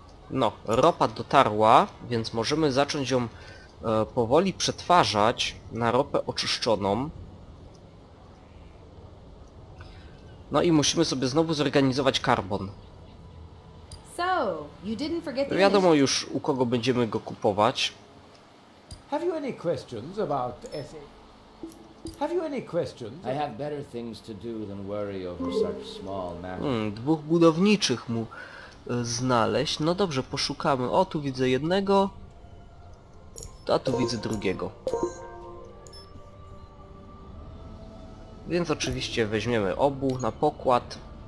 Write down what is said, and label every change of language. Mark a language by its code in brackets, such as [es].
[pl] No, ropa dotarła, więc możemy zacząć ją powoli przetwarzać na ropę oczyszczoną. No i musimy sobie znowu zorganizować karbon. Wiadomo już, u kogo będziemy go kupować. [en] Have you any questions about Ethel? Have you any questions? I have better things to do than worry over such small matters. [pl] Dwóch budowniczych mu znaleźć. No dobrze, poszukamy. O, tu widzę jednego. A tu widzę drugiego. Więc oczywiście weźmiemy obu na pokład.